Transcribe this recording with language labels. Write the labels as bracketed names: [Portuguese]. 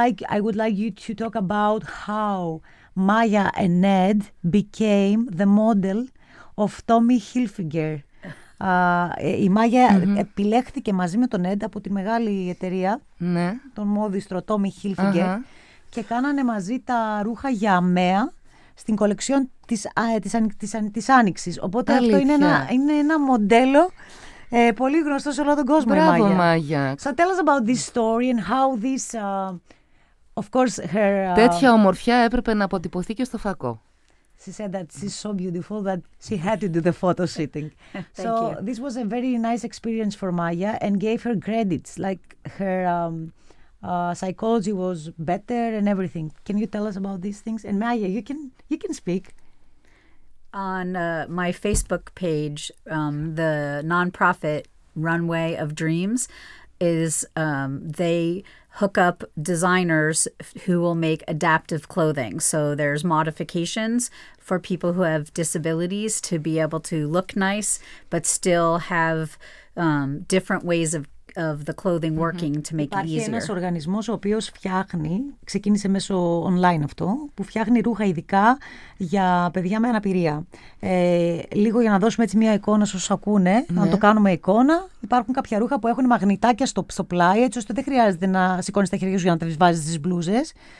[English] I would like you to talk about how Maya and Ned became the model of Tommy Hilfiger. [Greek] Η Μάγια επιλέχθηκε μαζί με τον Ed από τη μεγάλη εταιρεία, τον μόδιστρο Tommy Hilfiger, και κάνανε μαζί τα ρούχα για αμαία στην κολεξιόν της Άνοιξης. Οπότε αυτό είναι ένα μοντέλο πολύ γνωστό σε όλο τον κόσμο. Μπράβο, Μάγια. [English] So tell us about this story and how this, of course, her... [Greek] Τέτοια ομορφιά έπρεπε να αποτυπωθεί και στο φακό. [English] She said that she's so beautiful that she had to do the photo shooting. Thank you. This was a very nice experience for Maya and gave her credits. Like her psychology was better and everything. Can you tell us about these things? And Maya, you can speak. On my Facebook page, the nonprofit Runway of Dreams is they hook up designers who will make adaptive clothing. So there's modifications for people who have disabilities to be able to look nice, but still have different ways of the clothing working mm-hmm. to make [Greek] Υπάρχει [English] it easier. [Greek] Υπάρχει ένας οργανισμός ο οποίος φτιάχνει, ξεκίνησε μέσω online αυτό, που φτιάχνει ρούχα ειδικά για παιδιά με αναπηρία. Λίγο για να δώσουμε έτσι μια εικόνα στους ακούνε, να το κάνουμε εικόνα. Υπάρχουν κάποια ρούχα που έχουν μαγνητάκια στο πλάι, έτσι ώστε δεν χρειάζεται να σηκώνεις τα χέρια σου για να τις βάζεις τις μπλούζες.